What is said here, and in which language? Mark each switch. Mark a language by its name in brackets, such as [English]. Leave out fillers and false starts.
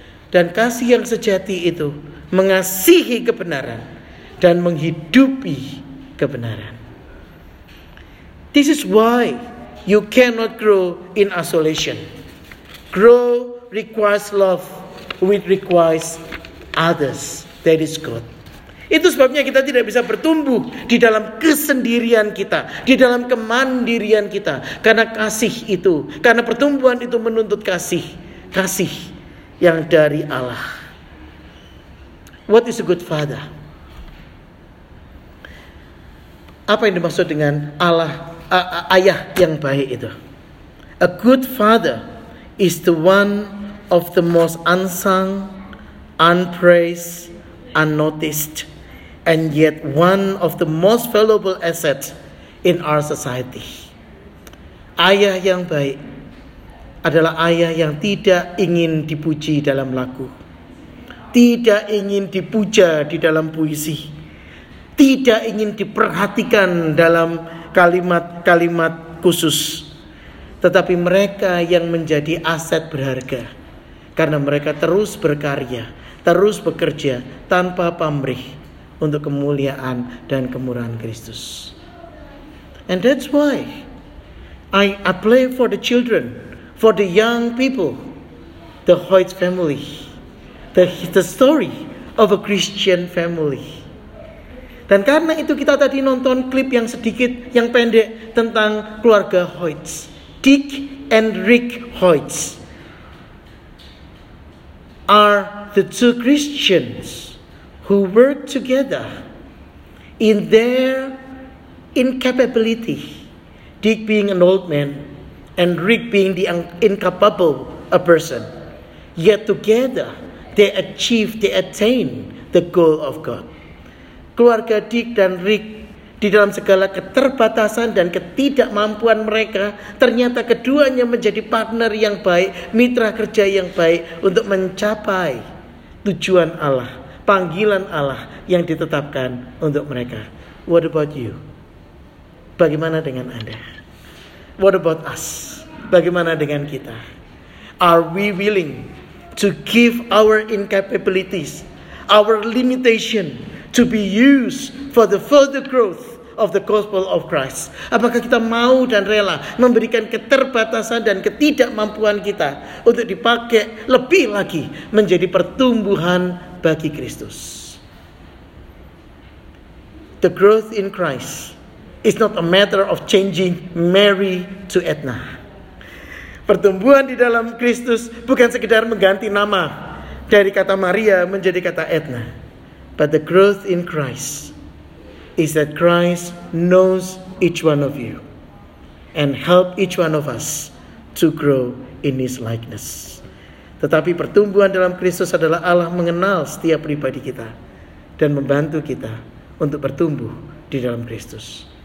[Indonesian] Dan kasih yang sejati itu mengasihi kebenaran dan menghidupi kebenaran. [English] This is why you cannot grow in isolation. Grow requires love, which requires others. That is God. [Indonesian] Itu sebabnya kita tidak bisa bertumbuh di dalam kesendirian kita, di dalam kemandirian kita, karena kasih itu, karena pertumbuhan itu menuntut kasih, kasih yang dari Allah. [English] What is a good father? [Indonesian] Apa yang dimaksud dengan Allah, ayah yang baik itu? [English] A good father is the one of the most unsung, unpraised, unnoticed, and yet one of the most valuable assets in our society. [Indonesian] Ayah yang baik adalah ayah yang tidak ingin dipuji dalam lagu, tidak ingin dipuja di dalam puisi, tidak ingin diperhatikan dalam kalimat-kalimat khusus. Tetapi mereka yang menjadi aset berharga. Karena mereka terus berkarya, terus bekerja tanpa pamrih untuk kemuliaan dan kemurahan Kristus. [English] And that's why I apply for the children, for the young people, the Hoyt family, the story of a Christian family. [Indonesian] Dan karena itu kita tadi nonton klip yang sedikit, yang pendek tentang keluarga Hoyt, Dick and Rick Hoyt. [English] Are the two Christians who work together in their incapability, Dick being an old man and Rick being the incapable a person, yet together they achieve, they attain the goal of God. [Indonesian] Keluarga Dick dan Rick di dalam segala keterbatasan dan ketidakmampuan mereka, ternyata keduanya menjadi partner yang baik, mitra kerja yang baik untuk mencapai tujuan Allah, panggilan Allah yang ditetapkan untuk mereka. [English] What about you? [Indonesian] Bagaimana dengan Anda? [English] What about us? [Indonesian] Bagaimana dengan kita? [English] Are we willing to give our incapabilities, our limitation, to be used for the further growth of the gospel of Christ? [Indonesian] Apakah kita mau dan rela memberikan keterbatasan dan ketidakmampuan kita untuk dipakai lebih lagi menjadi pertumbuhan bagi Kristus? [English] The growth in Christ is not a matter of changing Mary to Edna. [Indonesian] Pertumbuhan di dalam Kristus bukan sekedar mengganti nama dari kata Maria menjadi kata Edna. [English] But the growth in Christ is that Christ knows each one of you and help each one of us to grow in his likeness. [Indonesian] Tetapi pertumbuhan dalam Kristus adalah Allah mengenal setiap pribadi kita dan membantu kita untuk bertumbuh di dalam Kristus.